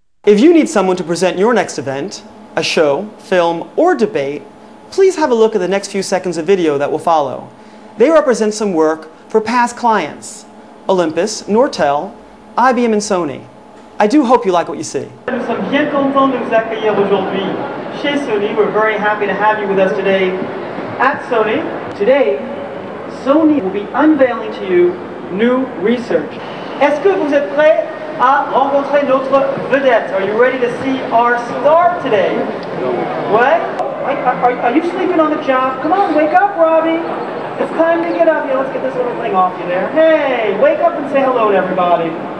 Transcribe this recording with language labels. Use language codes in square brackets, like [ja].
[en] If you need someone to present your next event, a show, film, or debate, please have a look at the next few seconds of video that will follow. They represent some work for past clients, Olympus, Nortel, IBM, and Sony. I do hope you like what you see. [fr] Nous sommes bien contents de vous accueillir aujourd'hui chez Sony. [en] We're very happy to have you with us today at Sony. Today, Sony will be unveiling to you new research. [fr] Est-ce que vous êtes prêts à rencontrer notre vedette? [en] Are you ready to see our star today? No. What? Are you sleeping on the job? Come on, wake up, Robbie. It's time to get up. Yeah, let's get this little thing off you there. Hey, wake up and say hello to everybody.